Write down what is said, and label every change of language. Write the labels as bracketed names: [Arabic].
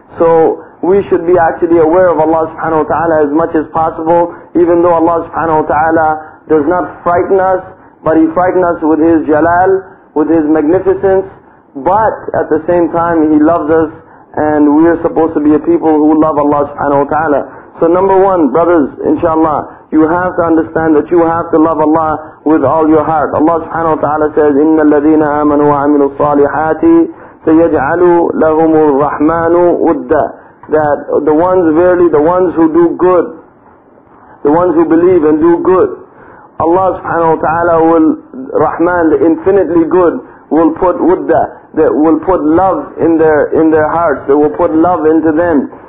[English] So we should be actually aware of Allah subhanahu wa ta'ala as much as possible, even though Allah subhanahu wa ta'ala does not frighten us, but He frightens us with His jalal, with His magnificence, but at the same time He loves us, and we are supposed to be a people who love Allah subhanahu wa ta'ala. So number one, brothers, inshallah, you have to understand that you have to love Allah with all your heart. Allah subhanahu wa ta'ala says, [Arabic] إِنَّ الَّذِينَ آمَنُوا وَعَمِلُوا الصَّالِحَاتِ سَيَجْعَلُوا لَهُمُ الرَّحْمَنُ وُدَّ. [English] That the ones, verily, the ones who do good, the ones who believe and do good, Allah subhanahu wa ta'ala will, Rahman, the infinitely good, will put wudda, that will put love in their hearts, that will put love into them.